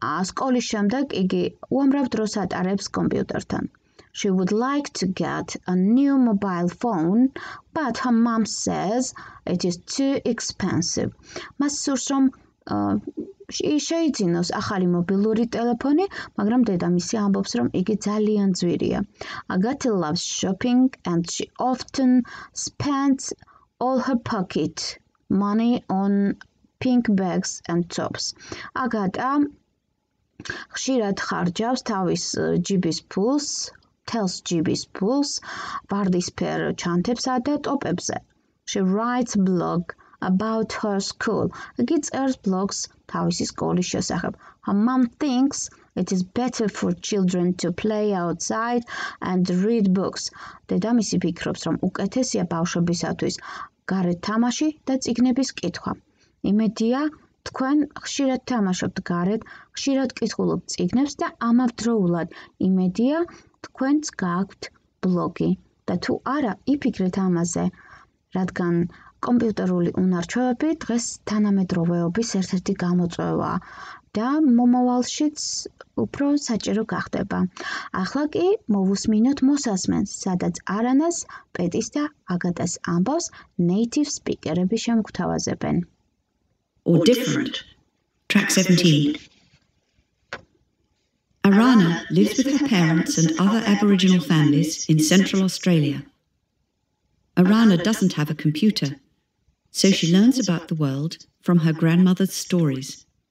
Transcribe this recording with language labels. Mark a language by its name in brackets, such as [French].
[Georgian] სკოლის შემდეგ იგი უამრავ დროს ატარებს კომპიუტერთან. [English] She would like to get a new mobile phone, but her mom says it is too expensive. [Georgian] მას სურს, რომ შეიძინოს ახალი მობილური ტელეფონი, მაგრამ დედამისი ამბობს, რომ იგი ძალიან ძვირია. [English] Agatha loves shopping and she often spends all her pocket money on pink bags and tops. [Georgian] Agatha ხშირად ხარჯავს თავის ჯიბის ფულს, [English] tells GB's pulls, [Georgian] ვარდისფერ ჩანთებსა და ტოპებზე. [English] She writes blog about her school. [Georgian] იგი წერს ბლოგს თავისი სკოლის შესახებ. [English] Her mom thinks it is better for children to play outside and read books. [Georgian] დედამისი ფიქრობს, რომ უკეთესია ბავშვებისათვის გარეთ თამაში და წიგნების კითხვა. იმედია, თქვენ ხშირად თამაშობთ გარეთ, ხშირად კითხულობთ წიგნებს და ამავდროულად იმედია, თქვენც გაქვთ ბლოგი და თუ არა, იფიქრეთ ამაზე, რადგან კომპიუტერული უნარჩვევები დღეს თანამედროვეობის ერთ-ერთი გამოწვევაა და მომავალშიც უფრო საჭირო გახდება. ახლა კი მოვუსმინოთ მოსასმენს, სადაც არანას, პეტის და აგატას ამბავს native speaker-ები შემოგთავაზებენ. [English] Or different. Track 17. Arana lives with her parents and other Aboriginal families in Central Australia. Arana doesn't have a computer, so she learns about the world from her grandmother's stories.